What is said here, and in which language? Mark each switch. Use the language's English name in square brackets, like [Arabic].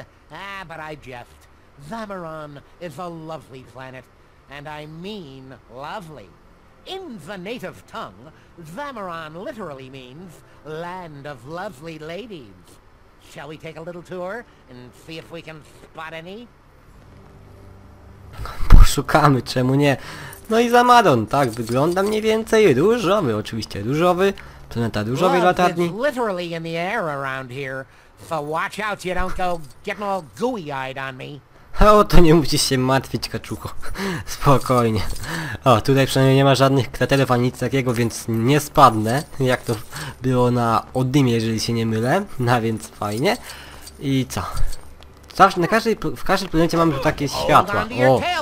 [English] Ah, but I jest. Zamaron is a lovely planet, and I mean lovely. In the native tongue, Zamaron literally means land of lovely ladies. Shall we take a little tour and see if we can spot any? [Polish] Poszukamy, czemu nie? No i Zamaron, tak wygląda mniej więcej, różowy, oczywiście różowy, planeta różowej latarni. [English] It's literally in the air around here, so watch out you don't go getting all gooey-eyed on me. [Polish] O, to nie musisz się martwić, kaczucho. Spokojnie. O, tutaj przynajmniej nie ma żadnych kraterów ani nic takiego, więc nie spadnę, jak to było na Odymie, jeżeli się nie mylę. No więc fajnie. I co? Zawsze na każdej, w każdej planecie mamy tu takie światła. O.